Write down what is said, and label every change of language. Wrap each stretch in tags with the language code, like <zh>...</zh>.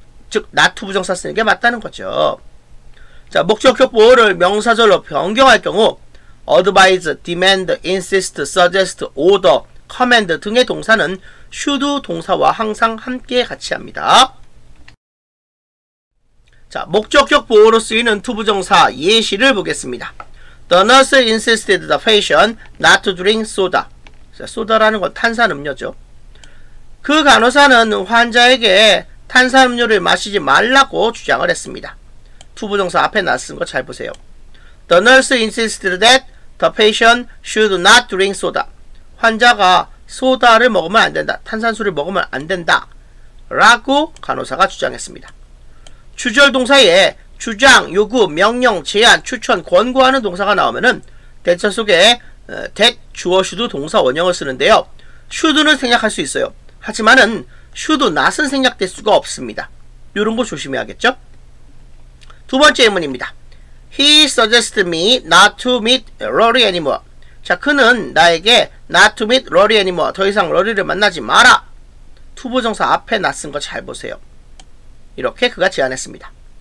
<ko>즉 not to 부정사 쓰는 게 맞다는 거죠. 자, 목적격 보호를 명사절로 변경할 경우 advise, demand, insist, suggest, order, command 등의 동사는 should 동사와 항상 함께 같이 합니다. 자, 목적격 보호로 쓰이는 to 부정사 예시를 보겠습니다.</ko> <en>The nurse insisted the patient not to drink soda.</en> <ko>자, 소다라는 건 탄산음료죠. 그 간호사는 환자에게 탄산음료를 마시지 말라고 주장을 했습니다. 투부정사 앞에 나선 거 잘 보세요.</ko> <en>The nurse insisted that the patient should not drink soda.</en> <ko>환자가 소다를 먹으면 안 된다. 탄산수를 먹으면 안 된다. 라고 간호사가 주장했습니다. 주절 동사에 주장, 요구, 명령, 제안, 추천, 권고하는 동사가 나오면은 대처 속에 that, 주어, should, 동사 원형을 쓰는데요. should는 생략할 수 있어요. 하지만은 should not은 생략될 수가 없습니다. 이런 거 조심해야겠죠? 두 번째 예문입니다.</ko> <en>He suggested me not to meet Rory anymore.</en> <ko>자, 그는 나에게 not to meet Rory anymore. 더 이상 Rory를 만나지 마라. 투부정사 앞에 낯선 거 잘 보세요. 이렇게 그가 제안했습니다.</ko>